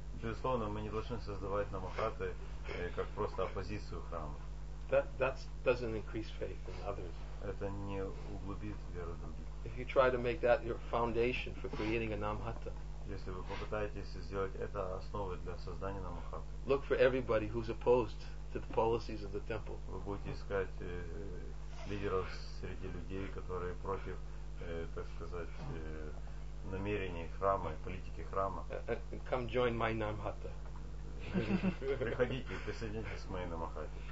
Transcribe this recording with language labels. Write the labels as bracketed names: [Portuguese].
[Russian] Безусловно, мы не должны создавать намахаты как просто оппозицию храму. [English] That doesn't increase faith in others. [Russian] Это не углубит веру в других. [English] If you try to make that your foundation for creating a namhata. [Russian] если вы попытаетесь сделать это основой для создания намахаты. [English] Look for everybody who's opposed to the policies of the temple. [Russian] Вы будете искать лидеров среди людей, которые против, так сказать, намерений храма и политики храма. [English] Come join my намахата. [Russian] Приходите, присоединяйтесь к моей намахате.